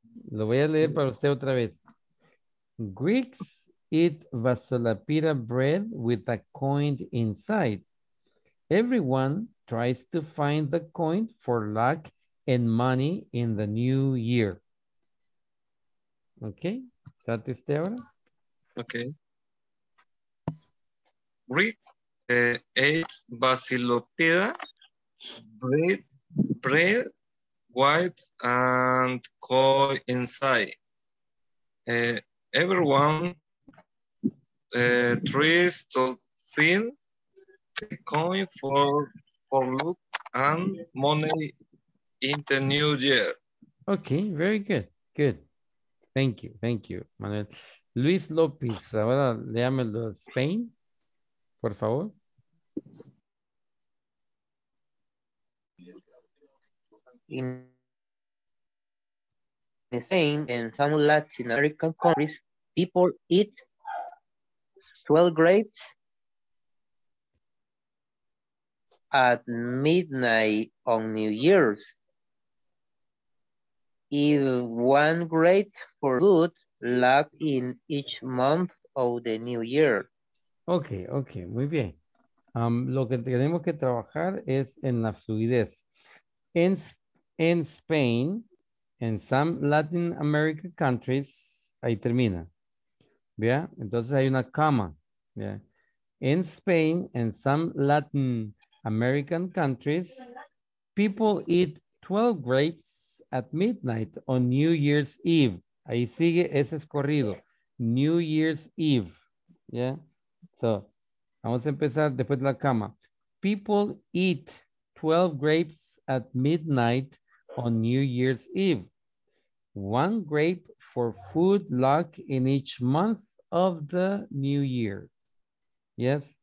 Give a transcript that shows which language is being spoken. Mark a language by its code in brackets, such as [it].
[es] Lo voy a leer para usted otra vez. [en] Greeks eat Vasilopira bread with a coin inside. Everyone tries to find the coin for luck and money in the new year. Okay, that is the order. Okay. Greeks eat Vasilopira bread white and coin inside. Everyone tries to find the coin for luck and money in the new year. Okay, very good. Good. Thank you, Manuel. [es] Luis López, ahora léamelo de Spain, por favor. [en] In Spain and some Latin American countries, people eat 12 grapes at midnight on New Year's. If one grape for good luck in each month of the new year. [es] Okay, muy bien. Lo que tenemos que trabajar es en la fluidez. [en] In Spain, in some Latin American countries, [es] ahí termina. ¿Ya? Entonces hay una coma. ¿Ya? [en] In Spain, in some Latin American countries, people eat 12 grapes at midnight on New Year's Eve. [es] Ahí sigue, ese es corrido. [en] New Year's Eve. [es] ¿Ya? So, vamos a empezar después de la coma. [en] People eat 12 grapes at midnight on New Year's Eve. One grape for food luck in each month of the new year. Yes?